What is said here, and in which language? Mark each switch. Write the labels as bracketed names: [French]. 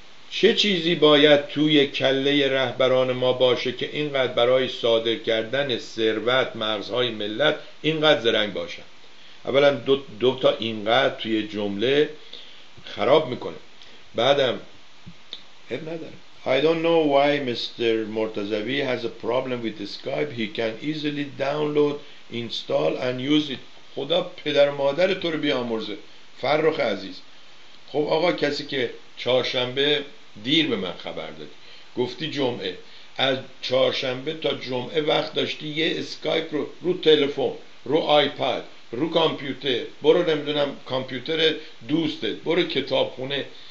[Persian] چه چیزی باید توی کله رهبران ما باشه که اینقدر برای صادر کردن ثروت مغزهای ملت اینقدر زرنگ باشن؟ اولا دو تا اینقدر توی جمله خراب میکنه، بعدم هم ندارم. [English] I don't know why Mr. Murtazavi has a problem with Skype. He can easily download, install and use it. [Persian] خدا پدر مادر تو رو بیامرزه فرخ عزیز. خب آقا کسی که چهارشنبه دیر به من خبر دادی، گفتی جمعه، از چهارشنبه تا جمعه وقت داشتی یه اسکایپ رو تلفن، رو آیپد، رو کامپیوتر، برو نمیدونم کامپیوتر دوستت، برو کتابخونه.